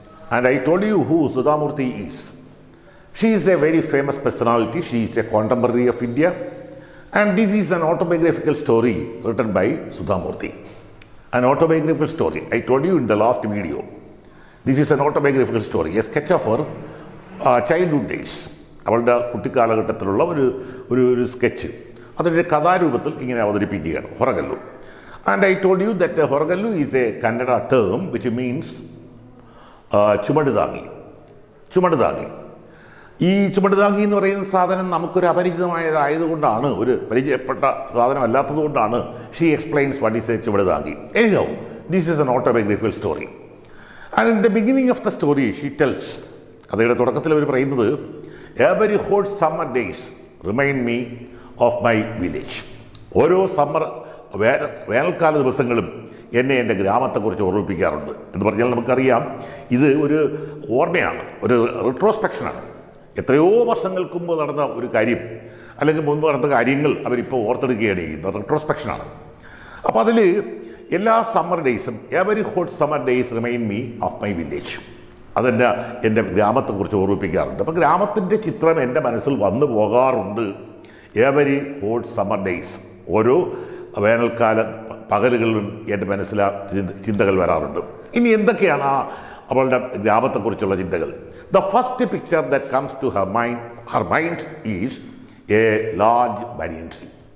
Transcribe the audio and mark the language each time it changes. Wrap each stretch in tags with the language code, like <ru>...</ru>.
<en>And I told you who Sudhamurti is. She is a very famous personality. She is a contemporary of India. And this is an autobiographical story written by Sudhamurti. An autobiographical story. I told you in the last video. This is an autobiographical story. A sketch of her childhood days.</en> <ml>അവളുടെ കുട്ടിക്കാലഘട്ടത്തിലുള്ള ഒരു ഒരു ഒരു sketch അതിൻ്റെ കഥാരൂപത്തിൽ ഇങ്ങനെ അവതരിപ്പിക്കുകയാണ് ഹൊറഗല്ലു.</ml> <en>And I told you that ഹൊറഗല്ലു is a Kannada term which means ചുമടുതാങ്ങി.</en> <ml>ചുമടുതാങ്ങി, ഈ ചുമടുതാങ്ങി എന്ന് പറയുന്ന സാധനം നമുക്കൊരു അപരിചിതമായതായതുകൊണ്ടാണ്, ഒരു പരിചയപ്പെട്ട സാധനമല്ലാത്തതുകൊണ്ടാണ്</ml> <en>she explains what is a</en> <ml>ചുമടുതാങ്ങി.</ml> <en>എനിക്കോ this is an autobiographical story. And in the beginning of the story she tells,</en> <ml>കഥയുടെ തുടക്കത്തിൽ അവർ പറയുന്നത്,</ml> <en>every hot summer days remind me of my village.</en> <ml>ഓരോ സമ്മർ വേനൽക്കാല ദിവസങ്ങളും എന്നെ എൻ്റെ ഗ്രാമത്തെക്കുറിച്ച് ഓർമ്മിപ്പിക്കാറുണ്ട് എന്ന് പറഞ്ഞാൽ നമുക്കറിയാം ഇത് ഒരു ഓർമ്മയാണ്, ഒരു റിട്രോസ്പെക്ഷനാണ്. എത്രയോ വർഷങ്ങൾക്ക് മുമ്പ് നടന്ന ഒരു കാര്യം അല്ലെങ്കിൽ മുൻപ് നടന്ന കാര്യങ്ങൾ അവരിപ്പോൾ ഓർത്തെടുക്കുകയാണ് ചെയ്യുന്നത്, റിട്രോസ്പെക്ഷനാണ്. അപ്പോൾ അതിൽ എല്ലാ summer ഡേയ്സും</ml> <en>every hot summer days remind me of my village.</en> <ml>അതെന്നെ എൻ്റെ ഗ്രാമത്തെക്കുറിച്ച് ഓർമ്മിപ്പിക്കാറുണ്ട്. അപ്പോൾ ഗ്രാമത്തിൻ്റെ ചിത്രം എൻ്റെ മനസ്സിൽ വന്നു പോകാറുണ്ട്</ml> <en>Every hot summer days.</en> <ml>ഓരോ വേനൽക്കാല പകലുകളിലും എൻ്റെ മനസ്സിൽ ആ ചിന്തകൾ വരാറുണ്ട്. ഇനി എന്തൊക്കെയാണ് ആ അവളുടെ ഗ്രാമത്തെക്കുറിച്ചുള്ള ചിന്തകൾ?</ml> <en>The first picture that comes to her mind is a large banyan tree.</en>